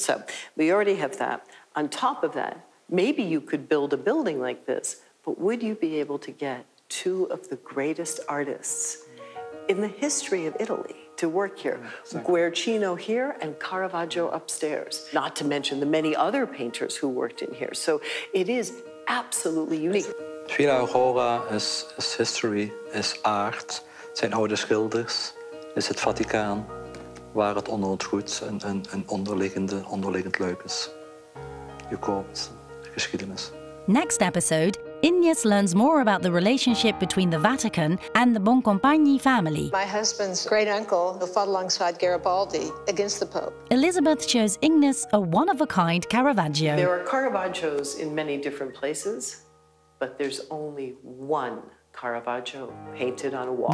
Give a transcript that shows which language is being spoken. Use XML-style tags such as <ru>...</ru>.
<en>So we already have that. On top of that, maybe you could build a building like this, but would you be able to get two of the greatest artists in the history of Italy to work here? Guercino here and Caravaggio upstairs, not to mention the many other painters who worked in here. So it is absolutely unique. Villa Aurora is history, is art,</en> <nl>zijn oude schilders, is het Vaticaan, waar het onder het goed een onderliggend leuk is. Je koopt geschiedenis.</nl> <en>Next episode, Ignace learns more about the relationship between the Vatican and the Boncompagni family. My husband's great-uncle fought alongside Garibaldi against the Pope. Elizabeth shows Ignace a one-of-a-kind Caravaggio. There are Caravaggios in many different places, but there's only one Caravaggio painted on a wall.</en>